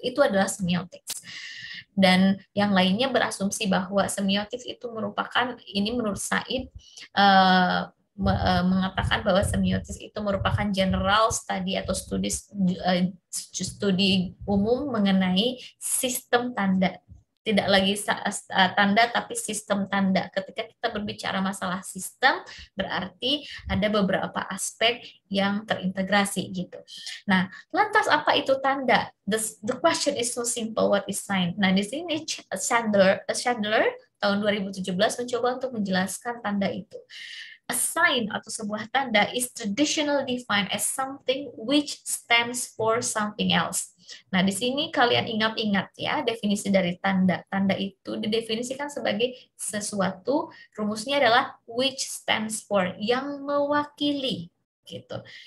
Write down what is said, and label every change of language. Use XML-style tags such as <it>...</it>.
<id>Itu adalah semiotik. Dan yang lainnya berasumsi bahwa semiotik itu merupakan, ini menurut Said mengatakan bahwa semiotis itu merupakan</id> <en>general study</en> <id>atau studi umum mengenai sistem tanda. Tidak lagi tanda, tapi sistem tanda. Ketika kita berbicara masalah sistem, berarti ada beberapa aspek yang terintegrasi gitu. Nah, lantas apa itu tanda?</id> <en>The question is so simple, what is sign?</en> <id>Nah, di sini</id> <en>Chandler</en> <id>tahun 2017 mencoba untuk menjelaskan tanda itu.</id> <en>A sign</en> <id>atau sebuah tanda</id> <en>is traditionally defined as something which stands for something else.</en> <id>Nah, di sini kalian ingat-ingat ya definisi dari tanda. Tanda itu didefinisikan sebagai sesuatu, rumusnya adalah</id> <en>which stands for,</en> <id>yang mewakili gitu.</id>